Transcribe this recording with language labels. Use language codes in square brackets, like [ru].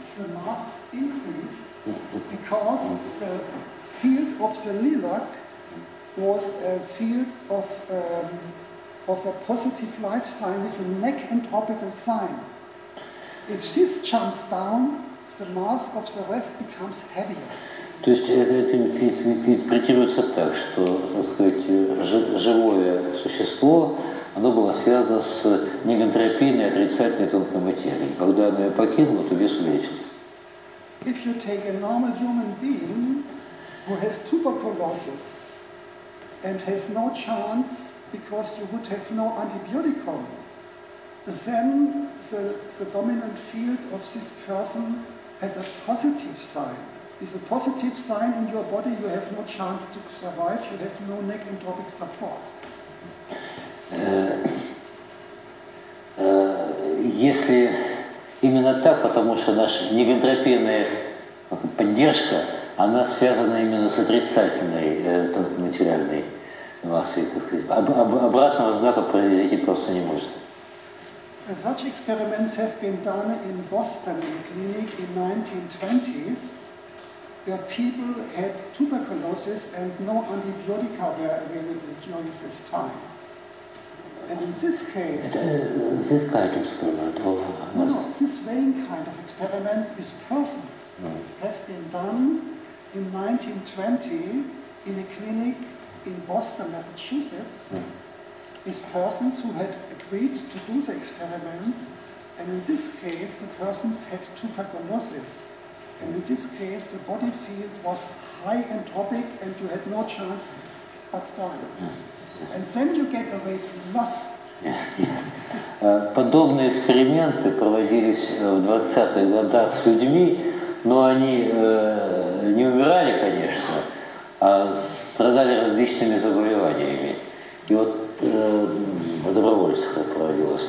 [en] the mass increased because the field of the lilac was a field of of a positive life sign with a necantropical sign. If this jumps down, the mass of the rest becomes heavier. [ru] То есть это интерпретируется так, что, так сказать, живое существо, оно было связано с негантропийной, отрицательной тонкой материей. Когда оно ее покинуло, то вес увеличился. [en] If you take a normal human being who has tuberculosis and has no chance because you would have no antibioticum, then the dominant field of this person has a positive sign. It's a positive sign in your body, you have no chance to survive, you have no neck entropic support. [ru] Если именно так, потому что наша негантропийная поддержка, она связана именно с отрицательной материальной массой, так сказать. Обратного знака произойти просто не может. [en] Such experiments have been done in Boston in a clinic in 1920s, where people had tuberculosis and no antibiotics were available during this time. And in this case, this kind of experiment, or no, this same kind of experiment with persons have been done in 1920 in a clinic in Boston, Massachusetts, with persons who had agreed to do the experiments, and in this case, the persons had tuberculosis, and in this case, the body field was high entropic, and you had no chance but die. And then you get a weight loss. Yes. [ru] Подобные эксперименты проводились в 20-х годах с людьми, но они не умирали, конечно, а страдали различными заболеваниями. И вот в добровольцах это проводилось.